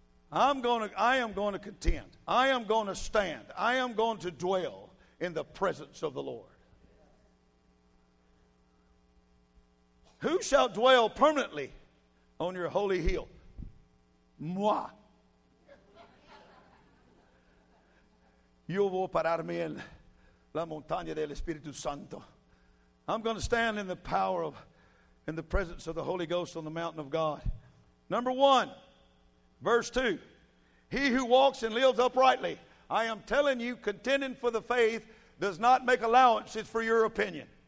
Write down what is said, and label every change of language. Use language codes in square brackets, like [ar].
[en] I am going to contend. I am going to stand. I am going to dwell in the presence of the Lord. Who shall dwell permanently on your holy hill? [fr] Moi. [es] Yo voy a pararme en la montaña del Espíritu Santo. [en] I'm going to stand in the power of, in the presence of the Holy Ghost on the mountain of God. Number one, verse two. He who walks and lives uprightly. I am telling you, contending for the faith does not make allowances for your opinion.